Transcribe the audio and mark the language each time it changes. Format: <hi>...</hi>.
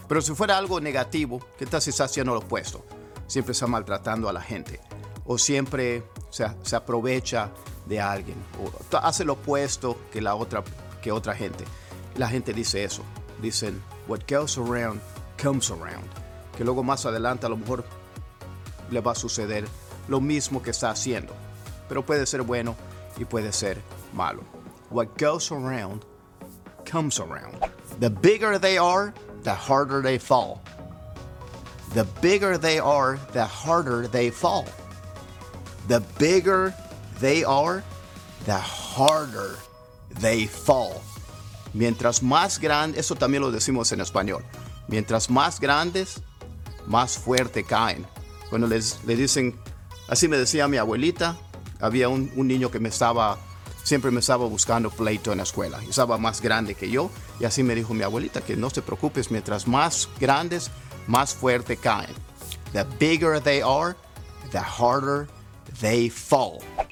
<es>Pero si fuera algo negativo, ¿qué tal si está haciendo lo opuesto? Siempre está maltratando a la gente o siempre se aprovecha de alguien o hace lo opuesto que otra gente. La gente dice eso. Dicen,</es> <en>what goes around comes around.</en> <es>Que luego más adelante a lo mejor le va a suceder lo mismo que está haciendo. Pero puede ser bueno y puede ser malo.</es> <en>What goes around comes around. The bigger they are, the harder they fall. The bigger they are, the harder they fall. The bigger they are, the harder they fall.</en> <es>Mientras más grande, eso también lo decimos en español. Mientras más grandes, más fuerte caen. Cuando les dicen, así me decía mi abuelita, había un niño que siempre me estaba buscando pleito en la escuela. Estaba más grande que yo. Y así me dijo mi abuelita, que no te preocupes, mientras más grandes, más fuerte caen.</es> <en>The bigger they are, the harder they fall.</en>